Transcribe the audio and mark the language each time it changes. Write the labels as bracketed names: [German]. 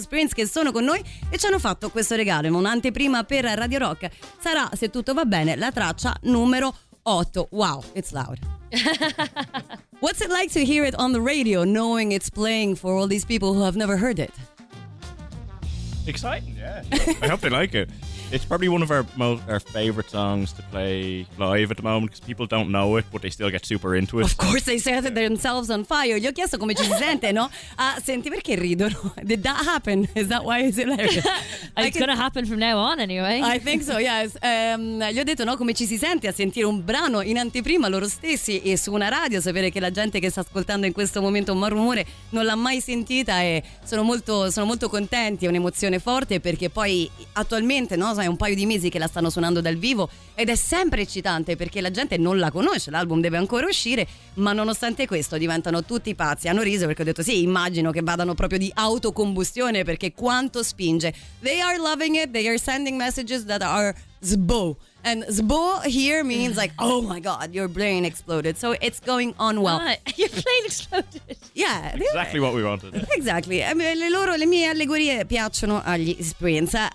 [Italian] Sprints che sono con noi e ci hanno fatto questo regalo, ma un'anteprima per Radio Rock. Sarà, se tutto va bene, la traccia numero 8. [English] Wow, it's loud. What's it like to hear it on the radio, knowing it's playing for all these people who have never heard it? Exciting, yeah. I hope they like it. It's probably one of our favorite songs to play live at the moment because people don't know it, but they still get super into it. Of course, they set themselves on fire. [Italian] Gli ho chiesto come ci si sente, no? Senti, perché ridono? [English] Did that happen? Is that why it's hilarious? It's gonna happen from now on anyway. I think so, yes. [Italian] Gli ho detto, no, come ci si sente a sentire un brano in anteprima loro stessi e su una radio, sapere che la gente che sta ascoltando in questo momento un rumore non l'ha mai sentita e sono molto contenti, è un'emozione forte perché poi attualmente, no? È un paio di mesi che la stanno suonando dal vivo ed è sempre eccitante perché la gente non la conosce, l'album deve ancora uscire, ma nonostante questo diventano tutti pazzi. Hanno riso perché ho detto sì, immagino che vadano proprio di autocombustione perché quanto spinge. [English] They are loving it, they are sending messages that are zbo, and zbo here means like, oh my god, your brain exploded, so it's going on well. Your brain exploded. Yeah, exactly what we wanted. Exactly. I mean, [Italian] le mie allegorie piacciono agli Sprints.